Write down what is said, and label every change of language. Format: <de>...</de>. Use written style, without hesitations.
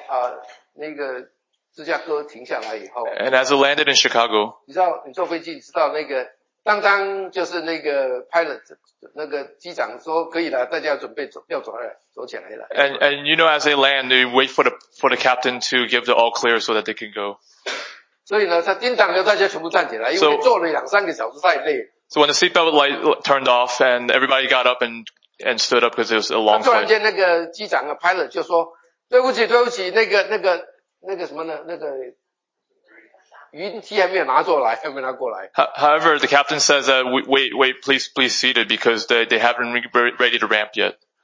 <zh>当飞机到那个芝加哥停下来以后。</zh> <en>And as it landed in Chicago.</en> <zh>你知道你坐飞机，你知道那个当当就是那个 pilot 那个机长说可以了，大家准备走，要走了，走起来了。</zh> <en>And you know, as they land, they wait for the captain to give the all clear so that they can go.</en> <zh>所以呢，他叮当着大家全部站起来，因为坐了两三个小时太累。So</zh> <en>when the seatbelt light turned off and everybody got up and stood up because it was a long flight.</en> <zh>突然间那个机长啊 ，pilot 就说，对不起，那个云梯还没有拿过来。</zh> <en>However, the captain says that wait, please seated because they haven't ready to ramp yet.</en>